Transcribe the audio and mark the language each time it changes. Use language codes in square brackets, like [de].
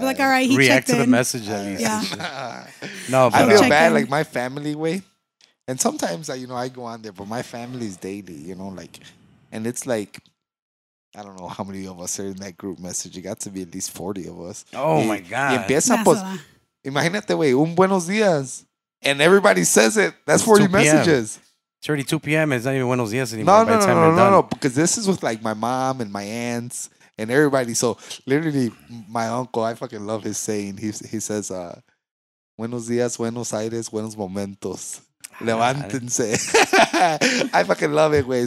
[en] Like, all right, he checked in. React to the message at least. No, I feel bad, like my family way. And sometimes, you know, I go on there, but my family's daily, you know, like, and it's like, I don't know how many of us are in that group message. It got to be at least 40 of us. Oh, my God. [es] Y empieza, pues, imagínate, güey, un buenos días. [en] And everybody says it. That's 40 messages. It's already 2 p.m. It's not even buenos días anymore. No, because this is with, like, my mom and my aunts and everybody. So, literally, my uncle, I fucking love his saying. He says, [es] buenos días, buenos aires, buenos momentos. Levántense. [en] I fucking love it, güey.